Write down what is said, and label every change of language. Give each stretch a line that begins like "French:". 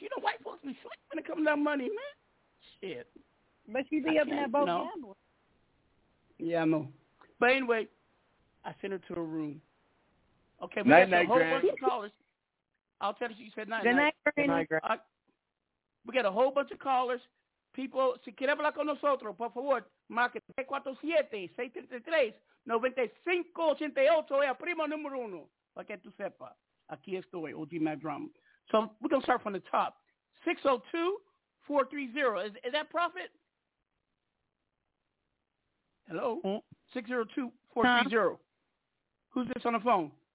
English: You know, white folks be slick when it comes to that money, man. Shit. But she be up in that boat gambling. Yeah, I know. But anyway, I sent her to her room. Okay, night, we got a whole bunch of callers. I'll tell you, she said night. Good night, we got a whole bunch of callers.
Spanish: People, si quiere hablar con nosotros, por favor, marque 347-633-9588, el primo número uno, para que tú sepas. Aquí estoy, OG Mack Drama.
English: So we're going to start from the top. 602-430. Is that Prophet? Hello? 602-430. Who's this on the phone?